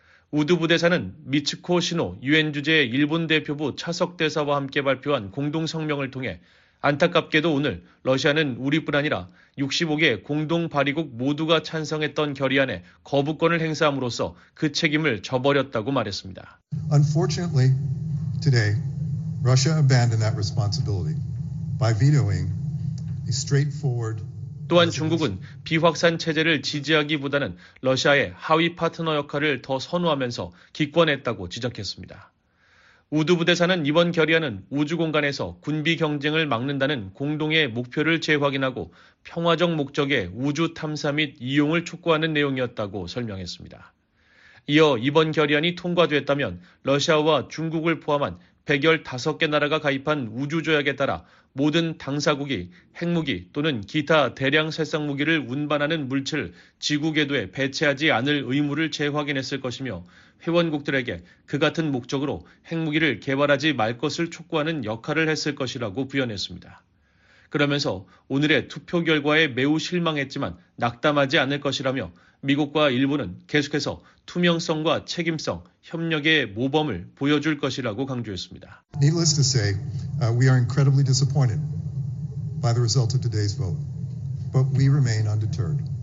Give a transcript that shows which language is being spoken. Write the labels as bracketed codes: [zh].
[ko] 우드 부대사는 미츠코 시노 유엔 주재의 일본 대표부 차석 대사와 함께 발표한 공동성명을 통해 안타깝게도 오늘 러시아는 우리뿐 아니라 65개 공동 발의국 모두가 찬성했던 결의안에 거부권을 행사함으로써 그 책임을 저버렸다고 말했습니다. [en] Unfortunately, today Russia abandoned that responsibility by vetoing a straightforward. [ko] 또한 중국은 비확산 체제를 지지하기보다는 러시아의 하위 파트너 역할을 더 선호하면서 기권했다고 지적했습니다. 우드 부대사는 이번 결의안은 우주 공간에서 군비 경쟁을 막는다는 공동의 목표를 재확인하고 평화적 목적의 우주 탐사 및 이용을 촉구하는 내용이었다고 설명했습니다. 이어 이번 결의안이 통과됐다면 러시아와 중국을 포함한 115개 나라가 가입한 우주조약에 따라 모든 당사국이 핵무기 또는 기타 대량 살상 무기를 운반하는 물체를 지구 궤도에 배치하지 않을 의무를 재확인했을 것이며 회원국들에게 그 같은 목적으로 핵무기를 개발하지 말 것을 촉구하는 역할을 했을 것이라고 부연했습니다. 그러면서 오늘의 투표 결과에 매우 실망했지만 낙담하지 않을 것이라며 미국과 일본은 계속해서 투명성과 책임성, 협력의 모범을 보여줄 것이라고 강조했습니다. [en] Needless to say, we are incredibly disappointed by the result of today's vote, but we remain undeterred.